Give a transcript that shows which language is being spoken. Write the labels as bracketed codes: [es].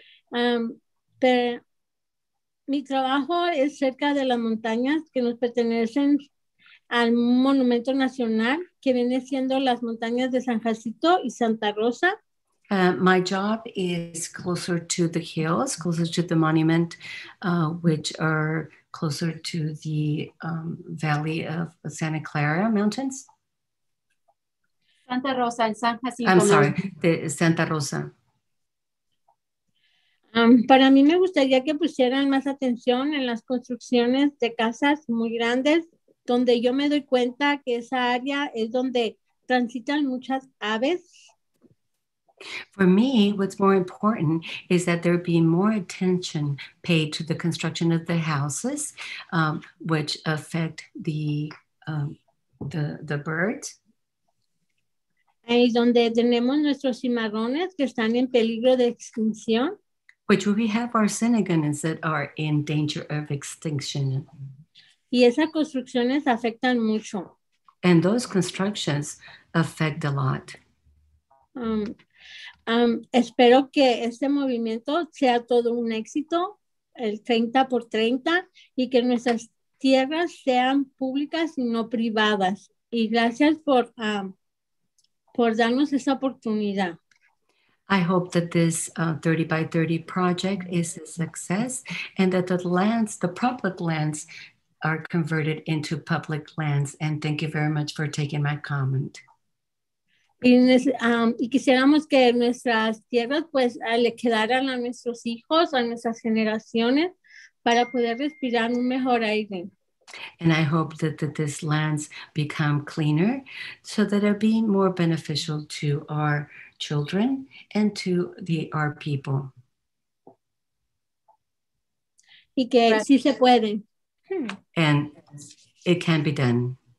[es] Pero mi trabajo es cerca de las montañas que nos pertenecen al Monumento Nacional, que viene siendo las montañas de San Jacinto y Santa Rosa. [en] My job is closer to the hills, closer to the monument, which are closer to the valley of Santa Clara Mountains. Santa Rosa and San Jacinto. I'm sorry, the Santa Rosa. [es] Para mí me gustaría que pusieran más atención en las construcciones de casas muy grandes, donde yo me doy cuenta que esa área es donde transitan muchas aves. [en] For me, what's more important is that there be more attention paid to the construction of the houses, which affect the birds. [es] Ahí donde tenemos nuestros cimarrones que están en peligro de extinción. [en] Which we have our cinnamons that are in danger of extinction. [es] Y esas construcciones afectan mucho. [en] And those constructions affect a lot. [es] Espero que este movimiento sea todo un éxito, el 30 por 30, y que nuestras tierras sean públicas y no privadas. Y gracias por darnos esa oportunidad. [en] I hope that this 30 by 30 project is a success and that the lands, the public lands, are converted into public lands. And thank you very much for taking my comment. [es] Y quisiéramos que nuestras tierras pues le quedaran a nuestros hijos, a nuestras generaciones, para poder respirar un mejor aire. [en] And I hope that these lands become cleaner so that it'll be more beneficial to our children and to our people. [es] Y que sí se pueden. [en] And it can be done.